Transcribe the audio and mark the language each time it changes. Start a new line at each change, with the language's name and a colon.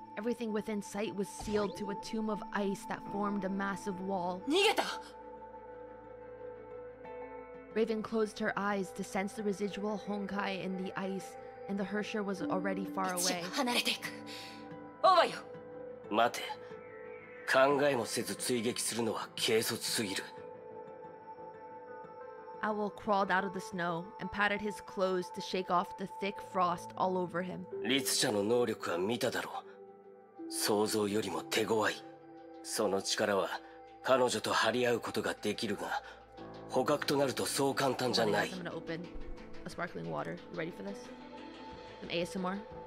English: Everything within sight was sealed to a tomb of ice that formed a massive wall. Raven closed her eyes to sense the residual Honkai in the ice, and the Hersher was already far away. Wait.
Japanese: 考えもせず追撃するのは軽率すぎる。
English: Owl crawled out of the snow and patted his clothes to shake off the thick frost all over him.
Japanese: 律者の能力は見ただろう。想像よりも手強い。その力は彼女と張り合うことができるが、捕獲となるとそう簡単じゃない。
English: I'm gonna open a sparkling water. You ready for this? Some ASMR?